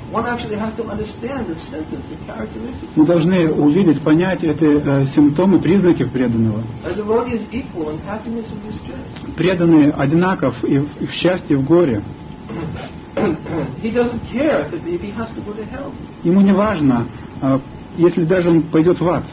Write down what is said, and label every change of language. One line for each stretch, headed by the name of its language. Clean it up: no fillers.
English: One actually has to understand the symptoms, the characteristics.
Russian: Мы должны увидеть, понять эти симптомы, признаки преданного.
English: A devotee is equal in happiness and distress.
Russian: Преданный одинаков и в счастье, и в горе.
English: He doesn't care if he has to go to hell.
Russian: Ему не важно, если даже он пойдет в ад.